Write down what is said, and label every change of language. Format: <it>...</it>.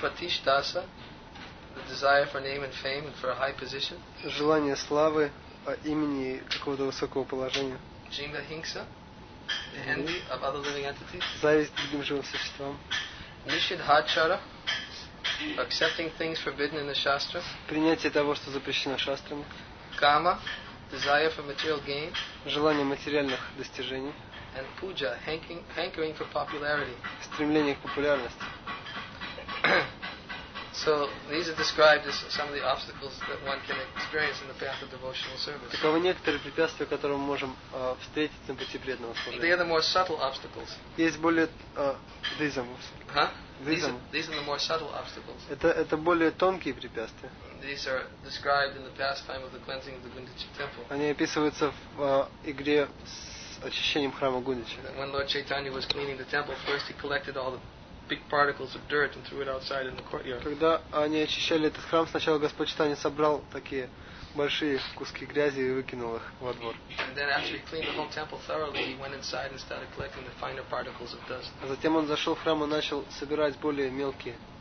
<en>Pratishtasa, the desire for name and fame and for a high position.</en> <ru>Желание славы, имени и какого-то высокого положения.</ru> <en>Jivahimsa, the envy of other living entities.</en> <ru>Зависть другим живым существам.</ru> <en>Nishidhachara, accepting things forbidden in the shastra.</en> <ru>Принятие того, что запрещено шастрами.</ru> <en>Kama. Desire for material gain.</en> <ru>Желание материальных достижений.</ru> <en>And puja, hankering for popularity.</en> <ru>Стремление к популярности.</ru> <en>So these are described as some of the obstacles that one can experience in the path of devotional service.</en> <ru>Таковы некоторые препятствия, которые мы можем встретить на пути преданного служения.</ru> <en>They are the more subtle obstacles.</en> <ru>Есть более визамы.</ru> <en>Huh? These are the more subtle obstacles.</en> <ru>Это более тонкие препятствия.</ru> <en>These are described in the pastime of the cleansing of the Gundicha temple.</en> <ru>Они описываются в игре с очищением храма Гундича.</ru> <en>When Lord Chaitanya was cleaning the temple, first he collected all the big particles of dirt and threw it outside in the courtyard.</en> <ru>Когда они очищали этот храм, сначала Господь Чайтанья собрал такие большие куски грязи и выкинул их во двор.</ru> <en>And then after he cleaned the whole temple thoroughly, he went inside and started collecting the finer particles of dust.</en> <ru>А затем он зашел в храм и начал собирать более мелкие.</ru>